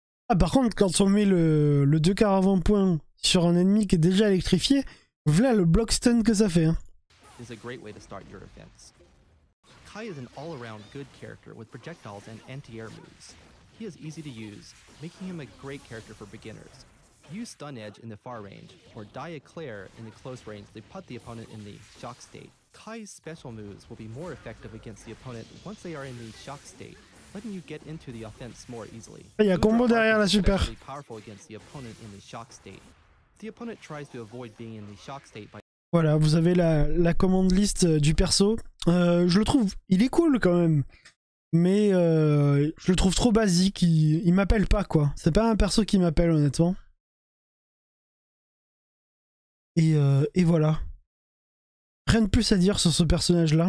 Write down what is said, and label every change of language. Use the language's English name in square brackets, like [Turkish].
[French] Ah, par contre, quand on met le 2 quart avant point sur un ennemi qui est déjà électrifié, voilà le block stun que ça fait. Hein. [English] It's a great way to start your offense. Kai is an all-around good character with projectiles and anti-air moves. He is easy to use, making him a great character for beginners. Use Stun Edge in the far range, or Dia Claire in the close range to put the opponent in the shock state. Kai's special moves will be more effective against the opponent once they are in the shock state, letting you get into the offense more easily. [French] Il y a combo derrière, là, super. [English] Powerful against the opponent in the shock state. The opponent tries to avoid being in the shock state by... [French] Voilà, vous avez la command list du perso. Je le trouve, il est cool quand même. Mais je le trouve trop basique, il m'appelle pas quoi. C'est pas un perso qui m'appelle honnêtement. Et voilà. Rien de plus à dire sur ce personnage là.